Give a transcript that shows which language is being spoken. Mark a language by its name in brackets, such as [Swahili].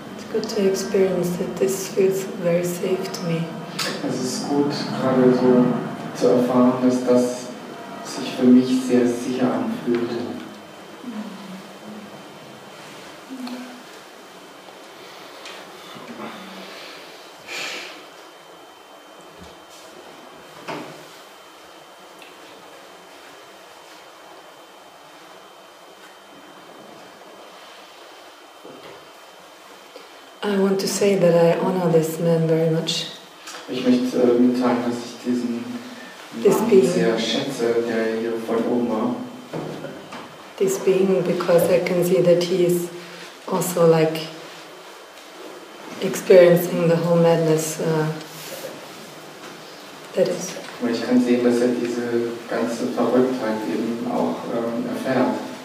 [English] good to experience that this feels very safe to me. [German] Es ist gut, gerade so zu erfahren, dass das sich für mich sehr sicher anfühlt. [English] I want to say that I honor this man very much. [German] Ich möchte mitteilen, dass ich diesen Mann sehr schätze, der hier von oben war. [English] This being, because I can see that he is also like experiencing the whole madness. That is. [German] Weil ich kann sehen, dass er diese ganze Verrücktheit eben auch erfährt.